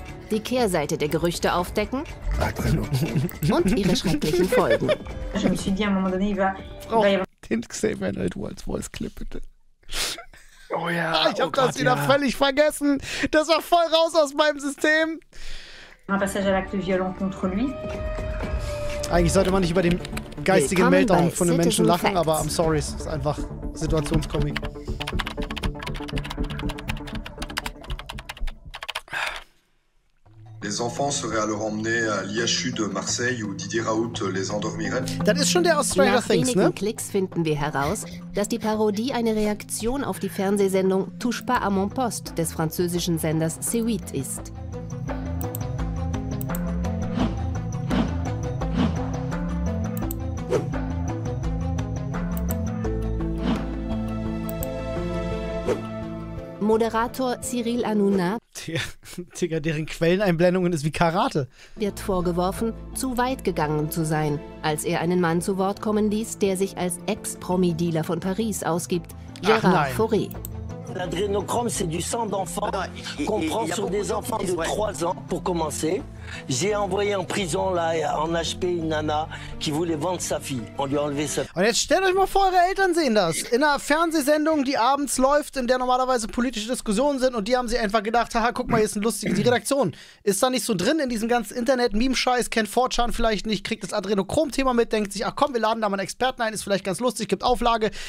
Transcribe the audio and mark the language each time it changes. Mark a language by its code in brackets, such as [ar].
[de] Die Kehrseite der Gerüchte aufdecken und ihre schrecklichen Folgen. Frau, den Xavier Edwards Voice Clip, bitte. Oh ja. Ich hab das wieder völlig vergessen. Das war voll raus aus meinem System. [fr] Un passage à l'acte violent contre lui. [de] Eigentlich sollte man nicht über den geistigen Meltdown von den Menschen lachen, aber [en] I'm sorry, [de] es ist einfach Situationskomik. [fr] Les enfants seraient alors emmenés à l'IHU de Marseille où Didier Raoult les endormirait. [de] Das ist schon der aus Stranger Things, ne? Nach wenigen Klicks finden wir heraus, dass die Parodie eine Reaktion auf die Fernsehsendung Touche pas à mon poste des französischen Senders C8 ist. Moderator Cyril Hanouna. Digga, deren Quelleneinblendungen ist wie Karate. Wird vorgeworfen, zu weit gegangen zu sein, als er einen Mann zu Wort kommen ließ, der sich als Ex-Promi-Dealer von Paris ausgibt, Gérard Fauré. [fr] L'adrénochrome, c'est du sang d'enfant qu'on prend sur des enfants de 3 ans, pour commencer. J'ai envoyé en prison, là, en HP, une nana qui voulait vendre sa fille. On lui a enlevé sa fille. [de] Und jetzt stellt euch mal vor, eure Eltern sehen das. In einer Fernsehsendung, die abends läuft, in der normalerweise politische Diskussionen sind, und die haben sie einfach gedacht, haha, guck mal, hier ist ein lustiger, die Redaktion ist da nicht so drin in diesem ganzen Internet-Meme-Scheiß, kennt 4chan vielleicht nicht, kriegt das Adrenochrom-Thema mit, denkt sich, ach komm, wir laden da mal einen Experten ein, ist vielleicht ganz lustig, gibt Auflage.